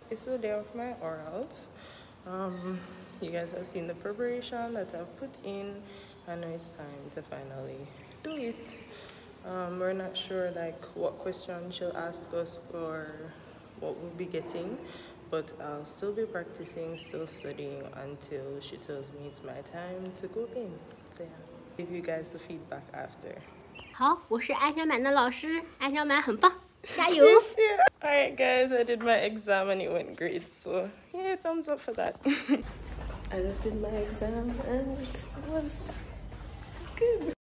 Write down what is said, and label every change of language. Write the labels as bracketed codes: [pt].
[en] It's the day of my orals. You guys have seen the preparation that I've put in, and now it's time to finally do it. We're not sure like what question she'll ask us or what we'll be getting, but I'll still be practicing, still studying until she tells me it's my time to go in. So yeah, give you guys the feedback after. [zh] 好，我是艾小满的老师，艾小满很棒，加油！谢谢。 [en] All right, guys, I did my exam and it went great, so yeah, thumbs up for that. I just did my exam and it was good.